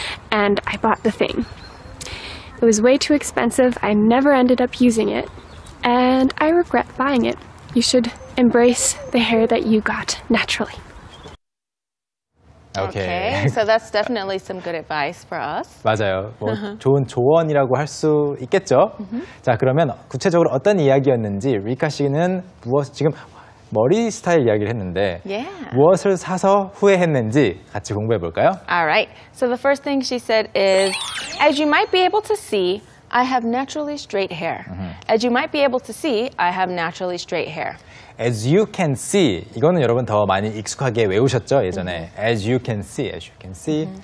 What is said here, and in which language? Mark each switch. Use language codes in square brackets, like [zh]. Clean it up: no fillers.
[en] And I bought the thing. It was way too expensive. I never ended up using it, and I regret buying it. You should embrace the hair that you got naturally. Okay. So that's definitely some good advice for us. [ko] 맞아요. 뭐 좋은 조언이라고 할 수 있겠죠. 자, 그러면 구체적으로 어떤 이야기였는지 리카 씨는 무엇 지금 머리 스타일 이야기를 했는데 무엇을 사서 후회했는지 같이 공부해 볼까요? [en] All right. So the first thing she said is as you might be able to see, I have naturally straight hair. As you might be able to see, I have naturally straight hair. As you can see, [ko] 이거는 여러분 더 많이 익숙하게 외우셨죠, 예전에. [en] As you can see, as you can see.